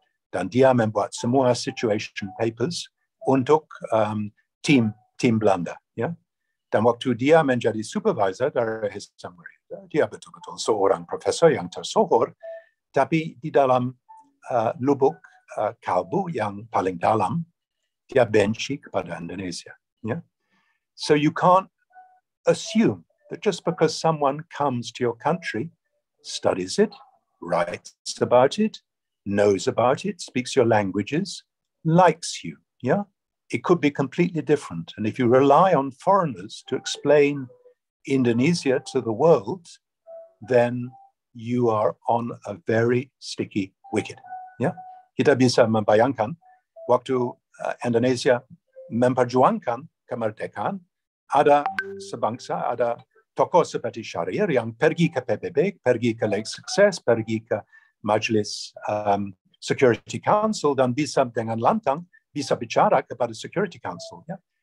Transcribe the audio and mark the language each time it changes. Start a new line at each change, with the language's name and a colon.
Indonesian: Dan dia membuat semua
English: situation papers
Indonesian: untuk tim Belanda. Yeah? Dan waktu dia menjadi supervisor dari Hasan Wirayuda, dia betul-betul seorang profesor yang tersohor, tapi di dalam lubuk kalbu yang paling dalam, dia benci kepada Indonesia.
English: Yeah? So you can't assume that just because someone comes to your country, studies it, writes about it, knows about it, speaks your languages, likes you. Yeah? It could be completely different. And if you rely on foreigners to explain Indonesia to the world, then you are on a very sticky wicket. Yeah?
Indonesian: Kita bisa membayangkan waktu Indonesia memperjuangkan kemerdekaan, ada sebangsa, ada tokoh seperti Syahrir yang pergi ke PBB, pergi ke Lake Success, pergi ke Majlis Security Council, dan bisa dengan lantang, bisa bicara kepada Security Council. Ya?